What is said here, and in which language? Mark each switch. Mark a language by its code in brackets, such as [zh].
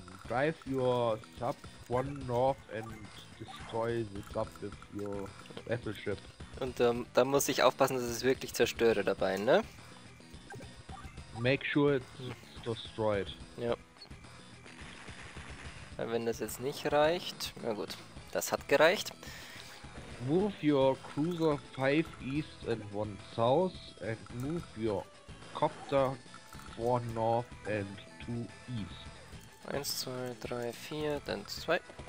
[en] Drive your sub 1 north and destroy the sub with your battleship. [de] Und da muss ich aufpassen, dass ich es wirklich zerstöre dabei, ne? [en] Make sure it's destroyed. [de] Ja. Weil wenn das jetzt nicht reicht, na gut, das hat gereicht. [en] Move your cruiser 5 east and 1 south and move your copter 4 north and 2 east. [de] 1, 2, 3, 4, dann 2.